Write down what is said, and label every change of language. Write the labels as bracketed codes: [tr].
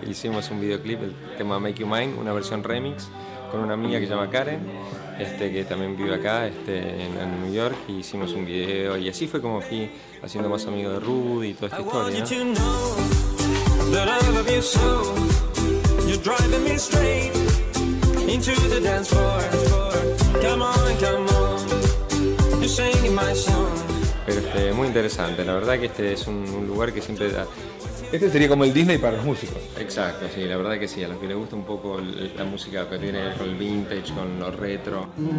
[es] Hicimos un videoclip, el tema Make You Mine, una versión remix, con una amiga que se llama Karen, que también vive acá, en New York, y hicimos un video. Y así fue como fui haciendo más amigo de Rudy y toda esta historia, ¿no? [en] You're driving me straight into the dance floor. Come on, come on, you're singing my song. [es] Pero muy interesante, la verdad que es un lugar que siempre da. Este sería como el Disney para los músicos. Exacto, sí, la verdad que sí, a los que les gusta un poco la música que tiene con el vintage, con lo retro.